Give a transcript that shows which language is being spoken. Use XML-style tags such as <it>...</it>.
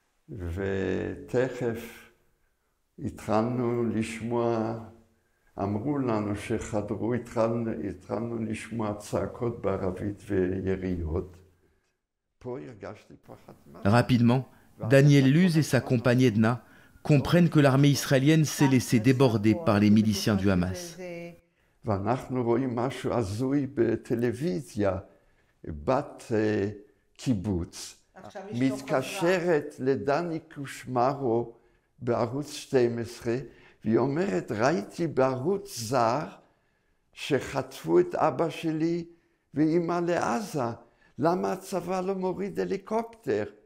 <he>ותכף התחלנו לשמוע, אמרו לנו שחדרו, התחלנו לשמוע צעקות בערבית ויריות. פה הרגשתי פחד.</he> <fr>Rapidement, Daniel Luz et sa compagne Edna comprennent que l'armée israélienne s'est laissée déborder par les miliciens du Hamas.</fr> <he>ואנחנו רואים משהו עזוי בטלוויזיה. בת קיבוץ, מתקשרת לדני קושמרו בערוץ 12, והיא אומרת, ראיתי בערוץ זר שחטפו את אבא שלי ואימא לעזה, למה הצבא לא מוריד הליקופטר?</he>